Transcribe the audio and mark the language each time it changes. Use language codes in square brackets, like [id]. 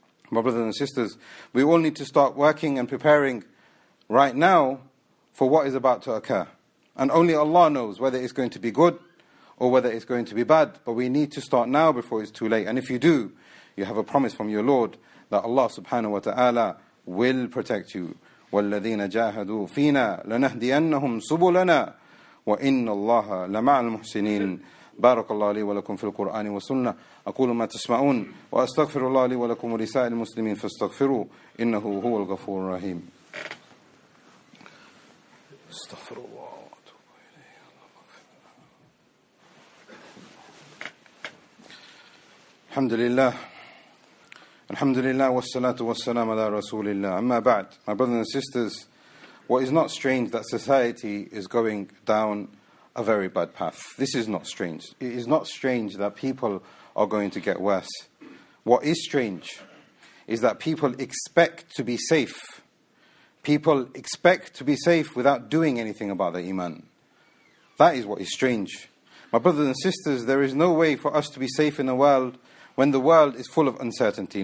[en] My brothers and sisters, we all need to start working and preparing right now for what is about to occur. And only Allah knows whether it's going to be good or whether it's going to be bad. But we need to start now before it's too late. And if you do, you have a promise from your Lord that Allah subhanahu wa ta'ala will protect you. [ar] وَالَّذِينَ جَاهَدُوا فِينَا لَنَهْدِيَنَّهُمْ سُبُلَنَا وَإِنَّ اللَّهَ لَمَعَ الْمُحْسِنِينَ بارك الله لي ولكم في القرآن والسنة أقول ما تسمعون وأستغفر الله لي ولكم ولسائر المسلمين فاستغفروا إنه هو الغفور الرحيم استغفر الله واتوب إليه الحمد لله الحمد لله والصلاة والسلام على رسول الله أما بعد [en] my brothers and sisters what is not strange that society is going down a very bad path. This is not strange. It is not strange that people are going to get worse. What is strange is that people expect to be safe. People expect to be safe without doing anything about their iman. That is what is strange. My brothers and sisters, there is no way for us to be safe in a world when the world is full of uncertainty.